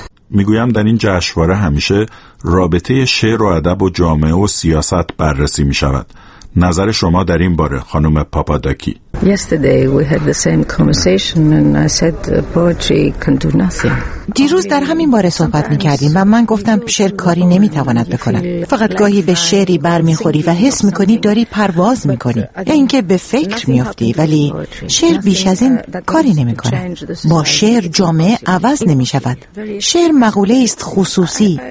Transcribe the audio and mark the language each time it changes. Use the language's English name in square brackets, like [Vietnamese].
[Persian] میگویم در این جشنواره همیشه رابطه شعر و ادب و جامعه و سیاست بررسی میشود. نظر شما در این باره خانم پاپاداکی؟ [English] Yesterday we had the same conversation and I said poetry can do nothing. [Persian] دیروز در همین باره صحبت می‌کردیم و من گفتم شعر کاری نمی‌تواند بکند. فقط گاهی به شعری برمی‌خوری و حس می‌کنی داری پرواز می‌کنی. یا اینکه به فکر می‌افتی، ولی شعر بیش از این کاری نمی‌کند. با شعر جامعه عوض نمی‌شود. شعر مقوله است خصوصی.